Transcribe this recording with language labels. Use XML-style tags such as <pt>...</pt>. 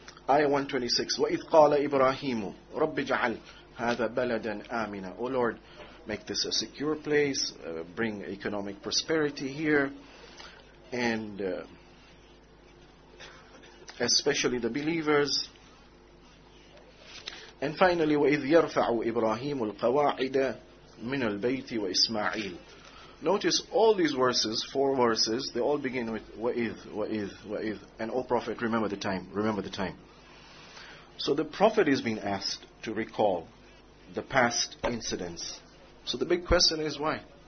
<en>Ayah 126,</en> <ar>وَإِذْ قَالَ إِبْرَاهِيمُ رَبِّ جَعَلْ هَذَا بَلَدًا آمِنًا,</ar> <en>O Lord, make this a secure place, bring economic prosperity here, and especially the believers. And finally,</en> <ar>وَإِذْ يَرْفَعُ إِبْرَاهِيمُ الْقَوَاعِدَ مِنَ الْبَيْتِ وَإِسْمَعِيلِ.</ar> <en>Notice all these verses, four verses, they all begin with وَإِذْ, وَإِذْ, وَإِذْ. And O Prophet, remember the time, remember the time. So the Prophet is being asked to recall the past incidents. So the big question is why?</en>